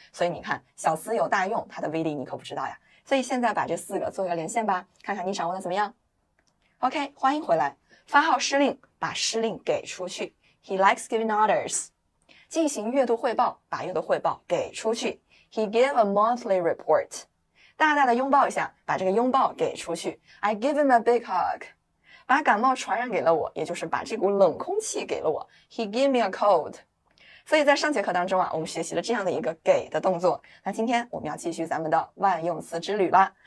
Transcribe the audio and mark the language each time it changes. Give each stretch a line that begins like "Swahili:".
Chinese: 所以你看，小词有大用，它的威力你可不知道呀。所以现在把这四个做个连线吧，看看你掌握的怎么样。OK, 欢迎回来。发号施令，把施令给出去。
English: He likes giving orders.
Chinese: 进行月度汇报，把月度汇报给出去。
English: He gave a monthly report.
Chinese: 大大的拥抱一下，把这个拥抱给出去。
English: I give him a big hug.
Chinese: 把感冒传染给了我，也就是把这股冷空气给了我。
English: He gave me a cold.
Chinese: 所以在上节课当中啊，我们学习了这样的一个给的动作。那今天我们要继续咱们的万用词之旅啦。